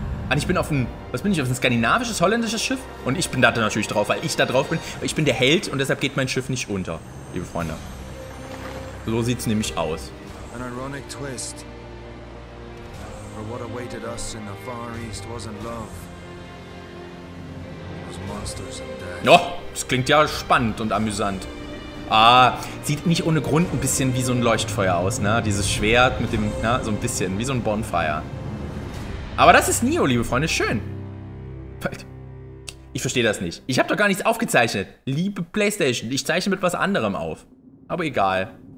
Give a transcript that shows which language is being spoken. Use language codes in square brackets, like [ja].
[de] Und ich bin auf ein, was bin ich, auf ein skandinavisches, holländisches Schiff? Und ich bin da natürlich drauf, weil ich da drauf bin. Ich bin der Held und deshalb geht mein Schiff nicht unter, liebe Freunde. So sieht's nämlich aus. [en] An ironic twist. For what awaited us in the Far East wasn't love. It was monsters and death. [de] Oh, das klingt ja spannend und amüsant. Ah, sieht nicht ohne Grund ein bisschen wie so ein Leuchtfeuer aus, ne? Dieses Schwert mit dem, ne? So ein bisschen, wie so ein Bonfire. Aber das ist Neo, liebe Freunde, schön. Ich verstehe das nicht. Ich habe doch gar nichts aufgezeichnet. Liebe PlayStation, ich zeichne mit was anderem auf. Aber egal.